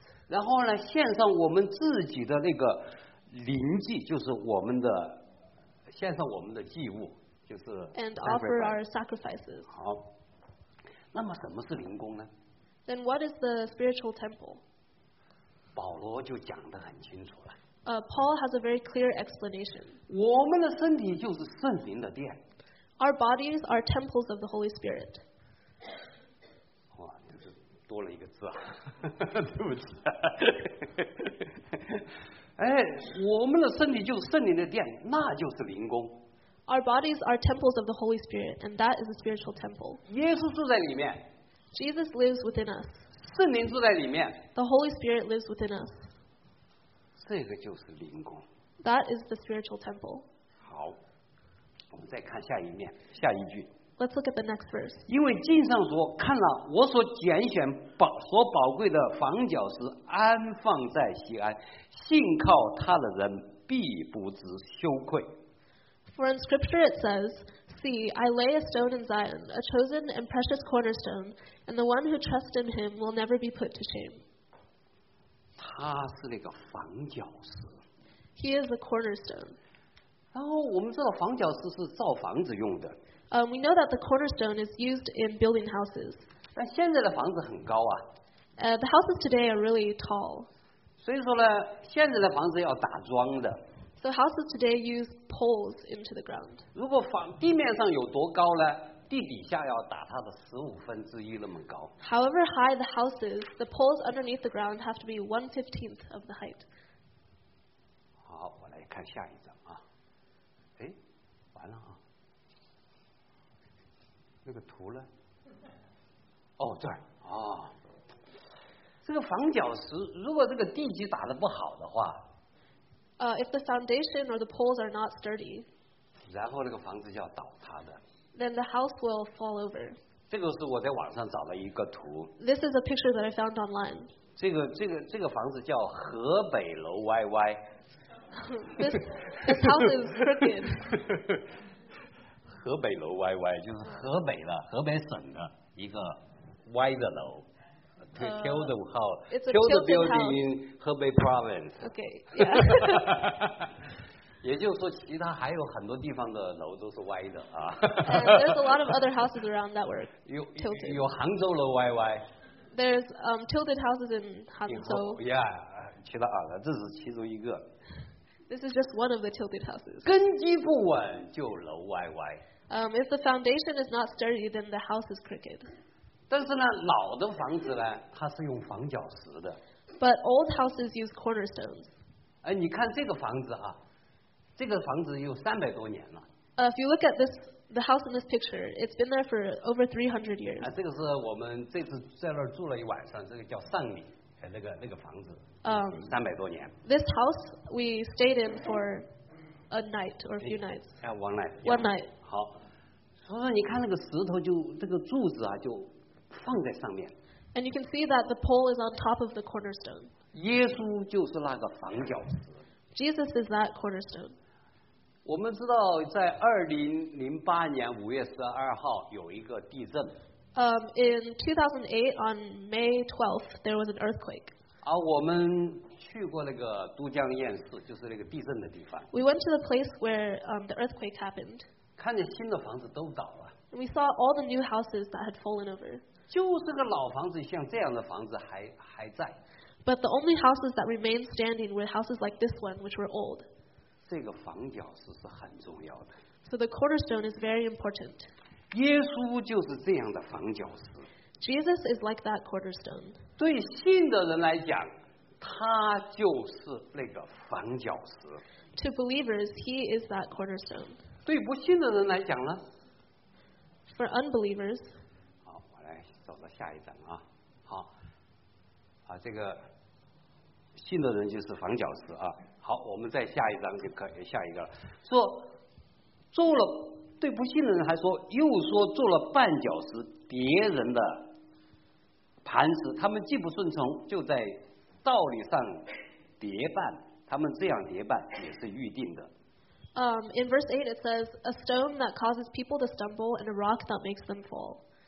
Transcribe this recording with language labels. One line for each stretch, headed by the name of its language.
Chinese: 然后呢，献上我们自己的那个灵祭，就是我们的献上我们的祭物，就是
English: and offer our sacrifices.
Chinese: 好，那么什么是灵宫呢？
English: Then what is the spiritual temple?
Chinese: 保罗就讲得很清楚了。
English: Paul has a very clear explanation.
Chinese: 我们的身体就是圣灵的殿。
English: Our bodies are temples of the Holy Spirit.
Chinese: 哇，就是多了一个字啊，对不起。哎，我们的身体就是圣灵的殿，那就是灵宫。
English: Our bodies are temples of the Holy Spirit, and that is a spiritual temple.
Chinese: 耶稣住在里面。
English: Jesus lives within us.
Chinese: 圣灵住在里面。
English: The Holy Spirit lives within us.
Chinese: 这个就是灵宫。
English: That is the spiritual temple.
Chinese: 好，我们再看下一面，下一句。
English: Let's look at the next verse.
Chinese: 因为经上说，看了我所拣选所宝贵的房角石安放在西安，信靠他的人必不知羞愧。
English: For in scripture it says, See, I lay a stone in Zion, a chosen and precious cornerstone, and the one who trusts in him will never be put to shame.
Chinese: 他是那个房角石。
English: He is the cornerstone.
Chinese: 然后我们知道房角石是造房子用的。
English: We know that the cornerstone is used in building houses.
Chinese: 但现在的房子很高啊。
English: The houses today are really tall.
Chinese: 所以说呢，现在的房子要打桩的。
English: So houses today use poles into the ground.
Chinese: 如果房地面上有多高呢？地底下要打它的十五分之一那么高。
English: However high the house is, the poles underneath the ground have to be 1/15 of the height.
Chinese: 好，我来看下一张啊。哎，完了啊，那个图呢？哦，这儿啊，这个房角石，如果这个地基打得不好的话，
English: if the foundation or the poles are not sturdy,
Chinese: 然后那个房子就要倒塌的。
English: Then the house will fall over.
Chinese: 这个是我在网上找了一个图。
English: This is a picture that I found online.
Chinese: 这个房子叫河北楼歪歪。
English: This house is crooked.
Chinese: 河北楼歪歪就是河北的河北省的一个歪的楼。
English: Tilted house. Tilted building in Hebei province. Okay. Yeah.
Chinese: 也就是说，其他还有很多地方的楼都是歪的啊。
English: There's a lot of other houses around that were tilted.
Chinese: 有杭州楼歪歪。
English: There's tilted houses in Hangzhou. Yeah,
Chinese: 其他啊，这是其中一个。
English: This is just one of the tilted houses.
Chinese: 根基不稳就楼歪歪。
English: If the foundation is not sturdy, then the house is crooked.
Chinese: 但是呢，老的房子呢，它是用房角石的。
English: But old houses use cornerstones.
Chinese: 哎，你看这个房子啊。这个房子有三百多年了。
English: If you look at this, the house in this picture, it's been there for over 300 years.
Chinese: 这个是我们这次在那儿住了一晚上，这个叫上里，那个房子，三百多年。
English: This house we stayed in for a night or a few nights. One night. One night.
Chinese: 好，所以说你看那个石头就这个柱子啊就放在上面。
English: And you can see that the pole is on top of the cornerstone.
Chinese: 耶稣就是那个房角石。
English: Jesus is that cornerstone.
Chinese: 我们知道在2008年5月12号有一个地震。
English: In 2008, on May 12th, there was an earthquake.
Chinese: 啊，我们去过那个都江堰市，就是那个地震的地方。
English: We went to the place where the earthquake happened.
Chinese: 看见新的房子都倒了。
English: And we saw all the new houses that had fallen over.
Chinese: 就是个老房子，像这样的房子还在。
English: But the only houses that remained standing were houses like this one, which were old.
Chinese: 这个房角石是很重要的。
English: So the cornerstone is very important.
Chinese: 耶稣就是这样的房角石。
English: Jesus is like that cornerstone.
Chinese: 对信的人来讲，他就是那个房角石。
English: To believers, he is that cornerstone.
Chinese: 对不信的人来讲呢？
English: For unbelievers.
Chinese: 好，我来走到下一张啊。好。啊，这个信的人就是房角石啊。好，我们再下一张就可以下一个了。说做了对不信的人还说又说做了绊脚石别人的磐石，他们既不顺从，就在道理上跌绊，他们这样跌绊也是预定的。
English: In verse 8 it says a stone that causes people to stumble and a rock that makes them fall.